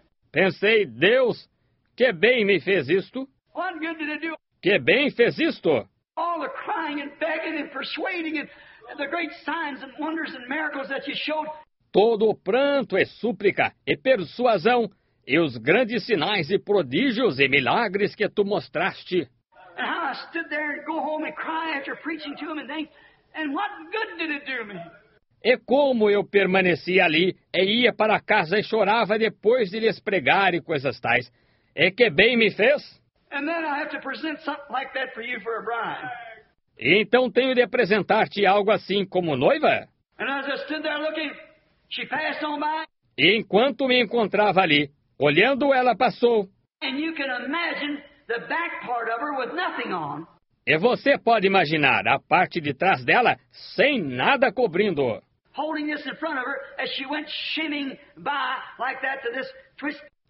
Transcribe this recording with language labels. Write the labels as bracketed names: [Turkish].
[Portuguese] Pensei, Deus, que bem me fez isto. Que bem fez isto. [English] All the crying and begging and persuading and the great signs and wonders and miracles that you showed. [Portuguese] Todo o pranto e súplica e persuasão e os grandes sinais e prodígios e milagres que tu mostraste. [English] And how I stood there and go home and cry after preaching to him and think, and what good did it do me? [Portuguese] E como eu permaneci ali e ia para casa e chorava depois de lhes pregar e coisas tais. E que bem me fez? [English] And then I have to present something like that for you for a bride. [Portuguese] E então tenho de apresentar-te algo assim como noiva? [English] And as I stood there looking, she passed on by. [Portuguese] E enquanto me encontrava ali, olhando, ela passou. [English] And you can imagine the back part of her with nothing on. [Portuguese] E você pode imaginar a parte de trás dela sem nada cobrindo. [English] Holding this in front of her as she went shimming by like that to this twist.